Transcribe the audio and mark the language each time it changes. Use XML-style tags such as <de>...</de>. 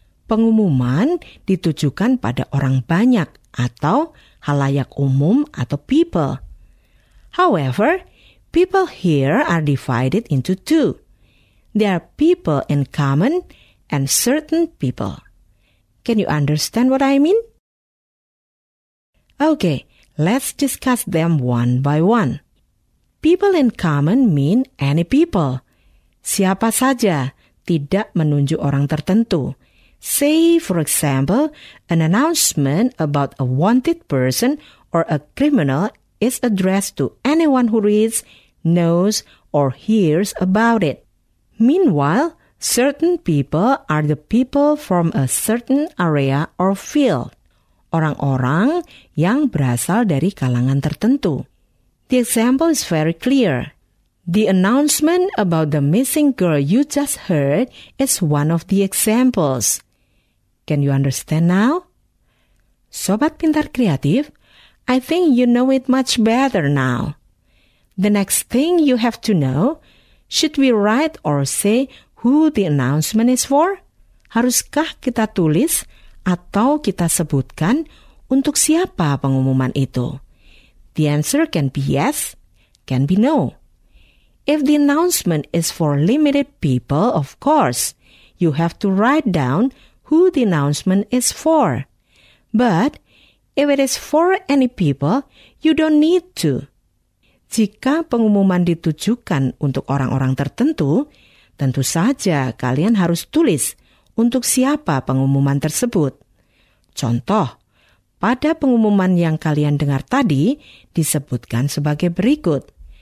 <id>Pengumuman ditujukan pada orang banyak atau khalayak umum atau people.</id> <en>However, people here are divided into two. There are people in common and certain people. Can you understand what I mean? Okay, let's discuss them one by one. People in common mean any people.</en> <id>Siapa saja, tidak menunjuk orang tertentu.</id> <en>Say, for example, an announcement about a wanted person or a criminal is addressed to anyone who reads, knows, or hears about it. Meanwhile, certain people are the people from a certain area or field.</en> <id>Orang-orang yang berasal dari kalangan tertentu.</id> <en>The example is very clear. The announcement about the missing girl you just heard is one of the examples. Can you understand now? Sobat Pintar Kreatif, I think you know it much better now. The next thing you have to know, should we write or say who the announcement is for?</en> <id>Haruskah kita tulis atau kita sebutkan untuk siapa pengumuman itu?</id> <en>The answer can be yes, can be no. If the announcement is for limited people, of course, you have to write down who the announcement is for. But if it is for any people, you don't need to.</en> <id>Jika pengumuman ditujukan untuk orang-orang tertentu, tentu saja kalian harus tulis untuk siapa pengumuman tersebut. Contoh, pada pengumuman yang kalian dengar tadi disebutkan sebagai berikut.</id>